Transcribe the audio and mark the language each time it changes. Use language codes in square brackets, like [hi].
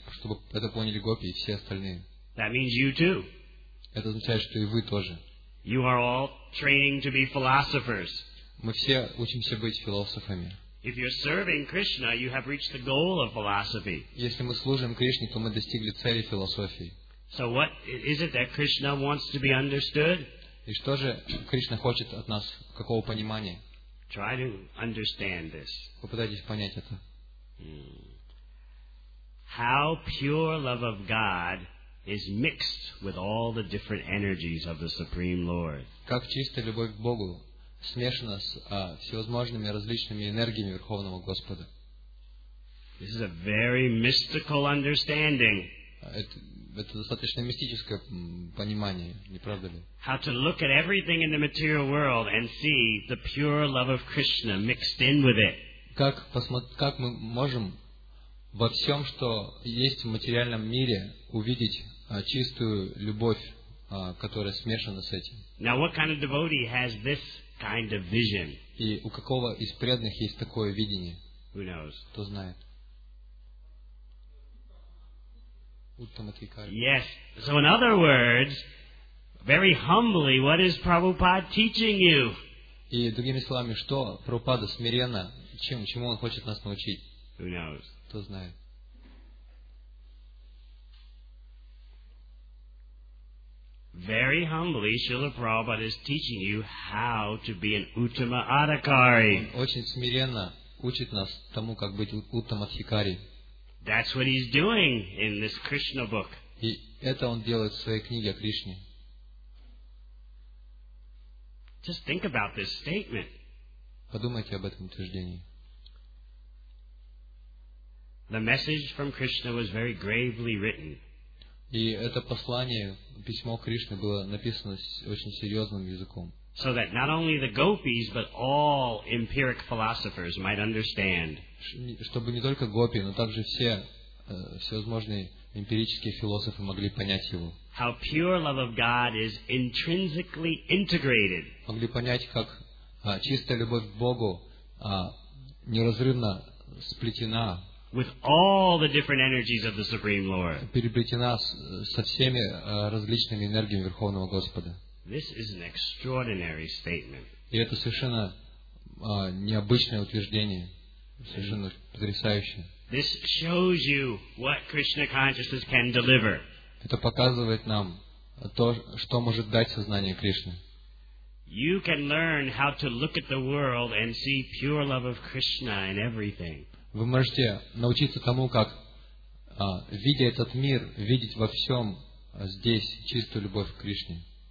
[ru] Чтобы это поняли гопи и все остальные. [en] That means you too. [ru] Это означает, что и вы тоже. [en] You are all training to be philosophers. [ru] Мы все учимся быть философами. [en] If you're serving Krishna, you have reached the goal of philosophy. [ru] Если мы служим Кришне, то мы достигли цели философии. [en] So what is it that Krishna wants to be understood? [ru] И что же Кришна хочет от нас, какого понимания? [en] Try to understand this. [ru] Попытайтесь понять это. [en] How pure love of God is mixed with all the different energies of the Supreme Lord. [ru] Как чистая любовь к Богу смешана с всевозможными различными энергиями Верховного Господа. [en] This is a very mystical understanding. [ru] Это достаточно мистическое понимание, не правда ли? [en] How to look at everything in the material world and see the pure love of Krishna mixed in with it. [ru] Как мы можем во всем, что есть в материальном мире, увидеть чистую любовь, которая смешана с этим. [en] Now, what kind of devotee has this kind of vision? [ru] И у какого из преданных есть такое видение? [en] Who knows? [ru] Кто знает? [en] Yes. So, in other words, very humbly, what is Prabhupada teaching you? [ru] И другими словами, что Прабхупада смиренно, чему он хочет нас научить? [en] Who knows? Very humbly, Srila Prabhupada is teaching you how to be an Uttama Adhikari. [ru] Очень смиренно учит нас тому, как быть Уттамадхикари. [en] That's what he's doing in this Krishna book. [ru] И это он делает в своей книге о Кришне. [en] Just think about this statement. [ru] Подумайте об этом утверждении. [en] The message from Krishna was very gravely written. [ru] И это послание, письмо Кришны было написано очень серьезным языком. [en] So that not only the gopis, but all empiric philosophers might understand. [ru] Чтобы не только гопи, но также все всевозможные эмпирические философы могли понять его. [en] How pure love of God is intrinsically integrated. [ru] Могли понять, как чистая любовь к Богу неразрывно сплетена. [en] With all the different energies of the Supreme Lord. [ru] Переплетена со всеми различными энергиями Верховного Господа. [en] This is an extraordinary statement. [ru] И это совершенно необычное утверждение, совершенно потрясающее. [en] This shows you what Krishna consciousness can deliver. [ru] Это показывает нам то, что может дать сознание Кришны. [en] You can learn how to look at the world and see pure love of Krishna in everything. [ru] Вы можете научиться тому, как, видя этот мир, видеть во всем здесь чистую любовь к Кришне.